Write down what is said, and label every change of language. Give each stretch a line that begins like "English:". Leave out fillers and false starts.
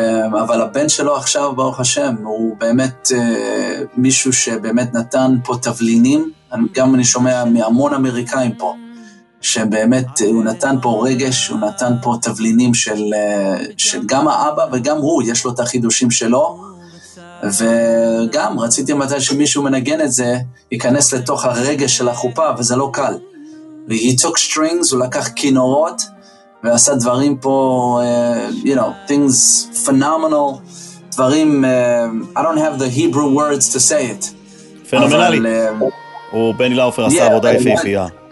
Hebrew: אבל הבן שלו עכשיו, ברוך השם, הוא באמת מישהו שבאמת נתן פה תבלינים, גם אני שומע מהמון אמריקאים פה, שבאמת הוא נתן פה רגש, הוא נתן פה תבלינים של, של גם האבא וגם הוא, יש לו את החידושים שלו, וגם רציתי מתי שמישהו מנגן את זה, ייכנס לתוך הרגש של החופה, וזה לא קל.
English: He took strings,
Hebrew: הוא לקח כינורות, ועשה דברים פה,
English: you know, things phenomenal,
Hebrew: דברים,
English: I don't have the Hebrew words to say it.
Hebrew: פנומנלי. הוא בני לאופר עשה עבודה יפיפייה.